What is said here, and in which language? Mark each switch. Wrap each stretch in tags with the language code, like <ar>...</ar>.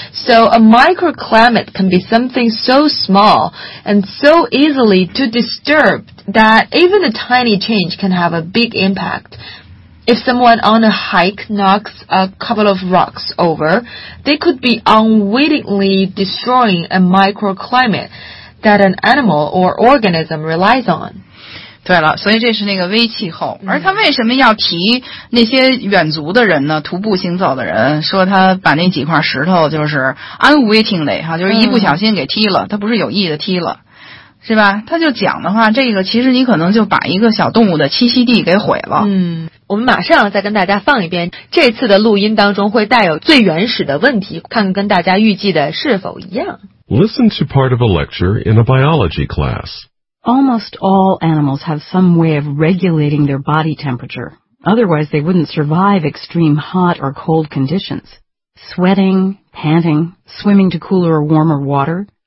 <en>So a microclimate can be something so small and so easily to disturb that even a tiny change can have a big impact. If someone on a hike knocks a couple of rocks over, they could be unwittingly destroying a microclimate that an animal or organism relies on.</en> <zh>对了，所以这是那个微气候。而他为什么要提那些远足的人呢？徒步行走的人，说他把那几块石头就是 unwittingly 哈，就是一不小心给踢了，他不是有意的踢了。是吧？他就讲的话，这个其实你可能就把一个小动物的栖息地给毁了。嗯，我们马上再跟大家放一遍，这次的录音当中会带有最原始的问题，看跟大家预计的是否一样。</zh> <en>Listen to part of a lecture in a biology class. Almost all animals have some way of regulating their body temperature. Otherwise, they wouldn't survive extreme hot or cold conditions. Sweating, panting, swimming to cooler or warmer water.</en>